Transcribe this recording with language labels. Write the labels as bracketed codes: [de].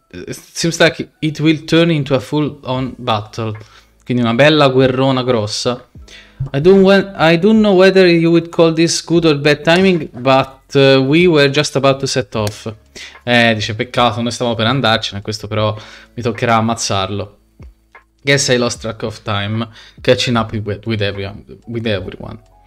[en] Seems like it will turn into a full-on battle. [it] Quindi una bella guerrona grossa. [en] I don't know whether you would call this good or bad timing, but we were just about to set off. [it] Dice, peccato, noi stavamo per andarcene, questo però mi toccherà ammazzarlo. [en] Guess I lost track of time, catching up with everyone.